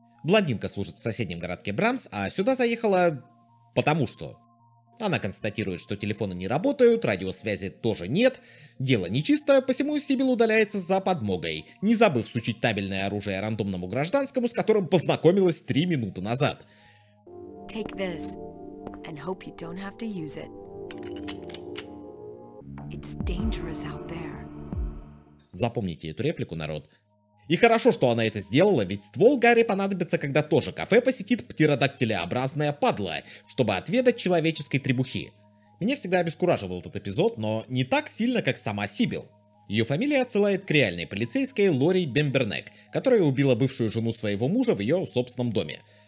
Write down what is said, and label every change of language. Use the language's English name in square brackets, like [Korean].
[Russian] Блондинка служит в соседнем городке Брамс, а сюда заехала... потому что. Она констатирует, что телефоны не работают, радиосвязи тоже нет, дело нечисто, посему Сибил удаляется за подмогой, не забыв всучить табельное оружие рандомному гражданскому, с которым познакомилась 3 минуты назад. [English] Take this. And hope you don't have to use it. It's dangerous out there. [Russian] Запомните эту реплику, народ. И хорошо, что она это сделала, ведь ствол Гарри понадобится, когда тоже кафе посетит птеродактилеобразная падла, чтобы отведать человеческой требухи. Меня всегда обескураживал этот эпизод, но не так сильно, как сама Сибил. Ее фамилия отсылает к реальной полицейской Лори Бембернек, которая убила бывшую жену своего мужа в ее собственном доме.